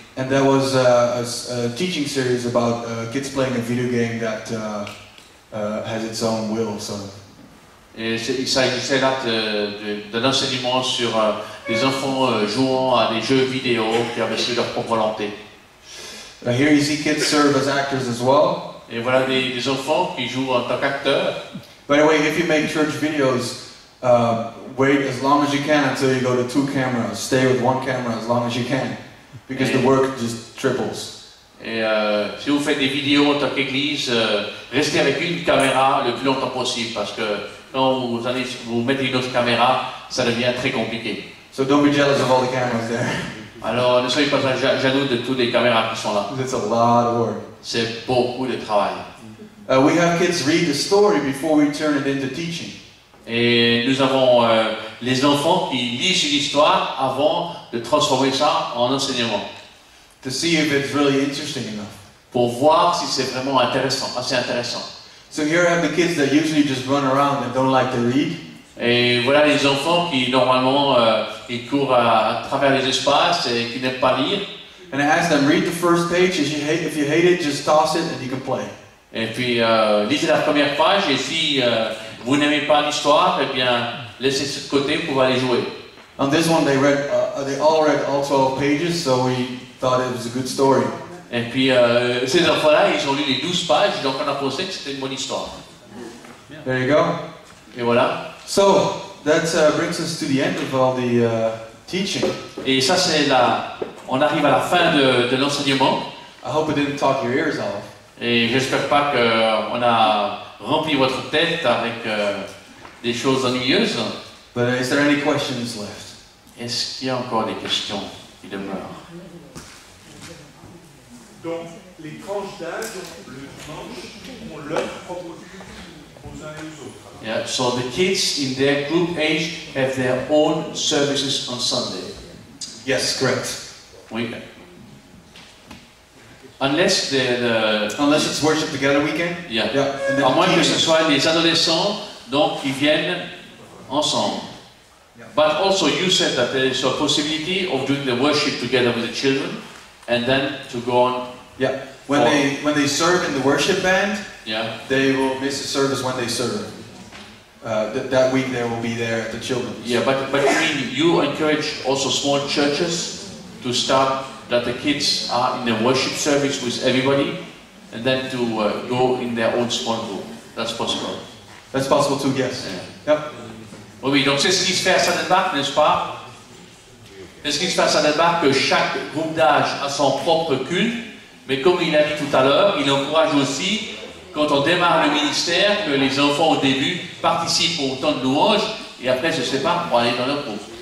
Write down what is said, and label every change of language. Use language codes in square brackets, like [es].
[en] And that was a teaching series about kids playing a video game that has its own will. So. [fr] Et il s'agissait là d'un enseignement sur des enfants jouant à des jeux vidéo qui avaient suivi leur propre volonté. [en] Here you see kids serve as actors as well. [fr] Et voilà des enfants qui jouent en tant qu'acteurs. [en] By the way, if you make church videos, wait as long as you can until you go to two cameras. Stay with one camera as long as you can, because the work just triples. [fr] Si vous faites des vidéos en tant qu'église, restez avec une caméra le plus longtemps possible, parce que quand vous mettez une autre caméra, ça devient très compliqué. [en] So don't be jealous of all the cameras there. [fr] Alors ne soyez pas jaloux de toutes les caméras qui sont là. [en] It's a lot of work. [fr] C'est beaucoup de travail. [en] We have kids read the story before we turn it into teaching. [fr] Et nous avons les enfants qui lisent une histoire avant de transformer ça en enseignement. [en] To see if it's really interesting enough. [fr] Pour voir si c'est vraiment intéressant, assez intéressant. [en] So here are the kids that usually just run around and don't like to read. [fr] Et voilà les enfants qui normalement ils courent à travers les espaces et qui n'aiment pas lire. [en] And I ask them read the first page. If you hate it, just toss it and you can play. [fr] Et puis lisez la première page et si vous n'aimez pas l'histoire, eh bien, laissez ce côté pour aller jouer. [en] On this one, they all read 12 pages, so we thought it was a good story. [fr] Et puis, ces enfants-là, ils ont lu les 12 pages, donc on a pensé que c'était une bonne histoire. [en] Yeah. There you go. [fr] Et voilà. [en] So, that brings us to the end of all the teaching. [fr] Et ça, c'est là. On arrive à la fin de l'enseignement. [en] I hope it didn't talk your ears off. [fr] Et j'espère pas qu'on a rempli votre tête avec des choses ennuyeuses. [en] But is there any questions left? [fr] Est-ce qu'il y a encore des questions qui demeurent? Donc, les tranches d'âge, le dimanche, on leur propose aux [en] Yeah, so the kids in their group age have their own services on Sunday. Yes, correct. Weekend. Unless the unless it's worship together weekend. Yeah. [fr] Yeah. À moins que ce soit les adolescents donc qui viennent ensemble. [en] But also you said that there is a possibility of doing the worship together with the children and then to go on. Yeah. When they serve in the worship band, yeah, they will miss the service when they serve. That week they will be there at the children. Yeah, but you mean you encourage also small churches to start that the kids are in the worship service with everybody and then to go in their own small group. That's possible. That's possible too, yes. Yeah. Yep. [fr] Oui, donc c'est ce qui se fait à Saint-Edmund, n'est-ce pas? C'est ce qui se fait à Saint-Edmund que chaque groupe d'âge a son propre culte, mais comme il a dit tout à l'heure, il encourage aussi, quand on démarre le ministère, que les enfants au début participent au temps de louange et après se séparent pour aller dans leur groupe.